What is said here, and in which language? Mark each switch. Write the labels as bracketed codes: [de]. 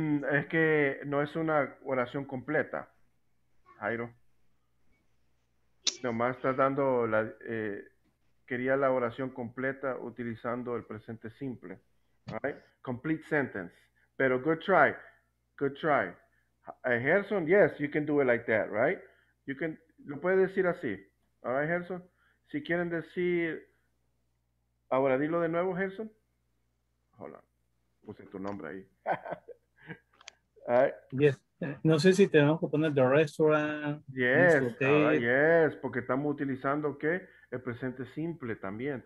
[es] Es que no es una oración completa, Jairo. Nomás estás dando la... quería la oración completa utilizando el presente simple. [en] All right, complete sentence. [es] Pero [en] good try, good try. Gerson, yes, you can do it like that, right? You can, [es] lo puedes decir así. [en] All right, Gerson. [es] Si quieren decir, ahora dilo de nuevo, Gerson. Hola, puse tu nombre ahí. All right. Yes. No sé si tenemos que poner [en] the restaurant. Yes. [es] Right, yes, porque estamos utilizando qué, el presente simple también.